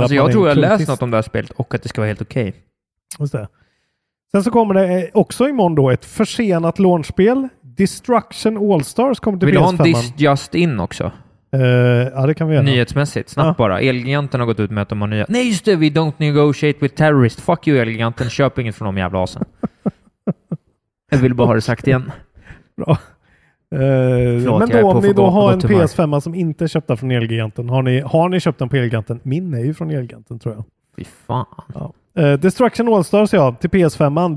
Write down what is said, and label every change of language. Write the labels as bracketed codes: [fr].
[sv] Alltså, jag tror jag läst något om det här spelet och att det ska vara helt okej. [en] Okay. [sv] Sen så kommer det också imorgon då ett försenat launchspel. Destruction All-Stars kommer till PS5. Vill du ha en Dis Just In också? Ja, det kan vi göra. Nyhetsmässigt, snabbt bara. Elgiganten har gått ut med att de har nya... Nej, just det, [en] we don't negotiate with terrorists. Fuck you, Elgiganten. [sv] Köp inget från de jävla asen. Jag vill bara ha det sagt igen. Bra. Förlåt, men då, om ni då har en PS5 som inte är köpt från Elgiganten, har ni köpt den på Elgiganten? Min är ju från Elgiganten, tror jag. Fy fan. Ja. Destruction All-Stars, ja, till PS5-man.